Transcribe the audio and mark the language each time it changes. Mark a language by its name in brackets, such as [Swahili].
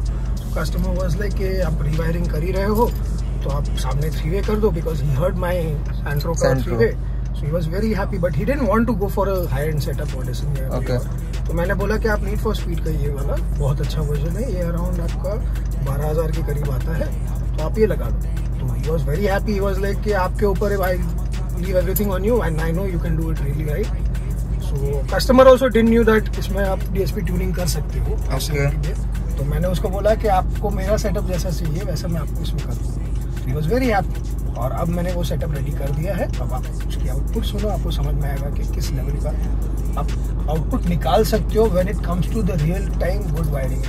[English] तो customer was like [Hindi] कि आप रीवायरिंग कर ही रहे हो तो आप सामने 3-way कर दो, [English] Because he heard my Santro का 3-way, so he was very happy, but he didn't want to go for a high end setup audition. [Hindi] तो मैंने बोला कि आप नीड फॉर स्पीड का ये वाला बहुत अच्छा वर्जन है, ये अराउंड आपका 12,000 के करीब आता है, तो आप ये लगा दो। तो [English] he was very happy, he was like [Hindi] कि आपके ऊपर है भाई, [English] leave everything on you and I know you can do it really right. So customer also didn't knew that [Hindi] इसमें आप DSP tuning कर सकते हो, [English] okay. [Hindi] तो मैंने उसको बोला कि आपको मेरा setup जैसा चाहिए वैसा मैं आपको इसमें कर दूँगा। [English] He was very happy. [Hindi] और अब मैंने वो setup ready कर दिया है, अब आप उसकी output सुनो, आपको समझ में आएगा कि किस level का आप output निकाल सकते हो [English] when it comes to the real time good wiring.